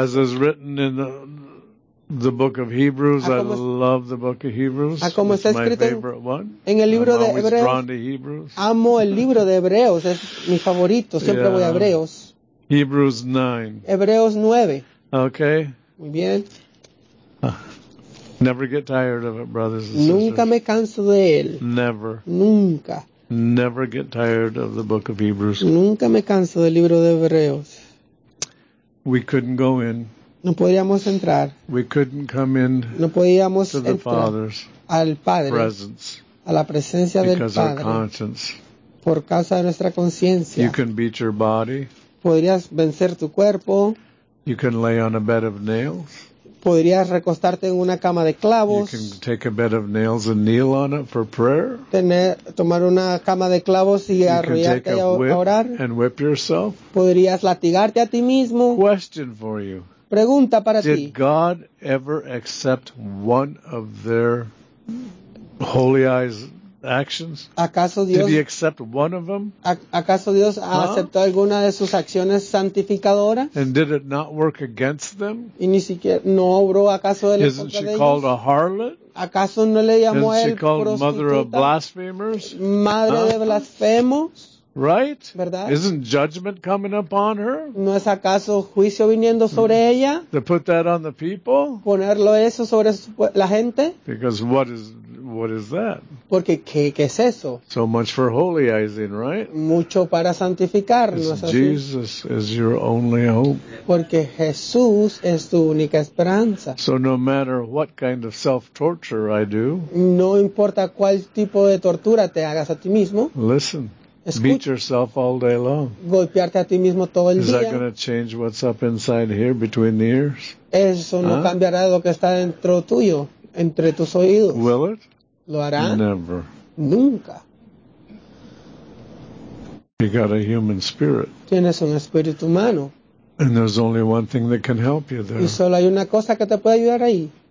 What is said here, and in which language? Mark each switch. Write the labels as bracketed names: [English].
[English] As is written in the book of Hebrews. I love the book of Hebrews. [Spanish] Como está escrito en el libro de Hebreos. [English] I'm always drawn to Hebrews. [Spanish] Amo el libro de Hebreos. Es mi favorito. Siempre voy a Hebreos. [English] Hebrews 9. [Spanish] Hebreos 9. [English] Okay. [Spanish] Muy bien. [English] Never get tired of it, brothers and sisters. [Spanish] Nunca me canso de él. [English] Never. [Spanish] Nunca. [English] Never get tired of the book of Hebrews. [Spanish] Nunca me canso del libro de Hebreos. [English] We couldn't go in. [Spanish] No podíamos entrar. [English] We couldn't come in. [Spanish] No podíamos [English] to the Father's [Spanish] al Padre, [English] presence. [Spanish] A la presencia del Padre. [English] Because of our conscience. [Spanish] Por causa de nuestra conciencia. [English] You can beat your body. [Spanish] Podrías vencer tu cuerpo. [English] You can lay on a bed of nails. [Spanish] Podrías recostarte en una cama de clavos. [English] You can take a bed of nails and kneel on it for prayer. [Spanish] Tomar una cama de clavos y arrodillarte y orar. [English] And whip yourself. [Spanish] Podrías latigarte a ti mismo. [English] Question for you. [Spanish] Pregunta para ti. [English] Did God ever accept one of their holy eyes actions? [Spanish] ¿Acaso Dios, [English] did he accept one of them? [Spanish] ¿Acaso Dios aceptó alguna de sus acciones santificadoras? [English] And did it not work against them? [Spanish] ¿Y ni siquiera no obró acaso de ellos? [English] Isn't she called a harlot? [Spanish] ¿Acaso no le llamó [English] isn't she called [Spanish] prostituta? [English] Mother of blasphemers? [Spanish] Madre de blasfemos. [English] Right? [Spanish] ¿Verdad? [English] Isn't judgment coming upon her? [Spanish] ¿No es acaso juicio viniendo sobre ella? [English] To put that on the people? [Spanish] ¿Ponerlo eso sobre la gente? [English] Because what is that? [Spanish] Porque ¿qué es eso? [English] So much for holyizing, right? [Spanish] Mucho para santificarnos. [English] Jesus is your only hope. [Spanish] Porque Jesús es tu única esperanza. [English] So no matter what kind of self-torture I do. [Spanish] No importa cuál tipo de tortura te hagas a ti mismo. [English] Listen. Beat yourself all day long. [Spanish] Golpearte a ti mismo todo el [English] Is that going to change what's up inside here between the ears? [Spanish] Eso no cambiará lo que está dentro tuyo, entre tus oídos. [English] Will it? [Spanish] ¿Lo hará? [English] Never. [Spanish] Nunca. [English] You got a human spirit. [Spanish] Tienes un espíritu humano. [English] And there's only one thing that can help you there. [Spanish] Y solo hay una cosa que te puede ayudar ahí.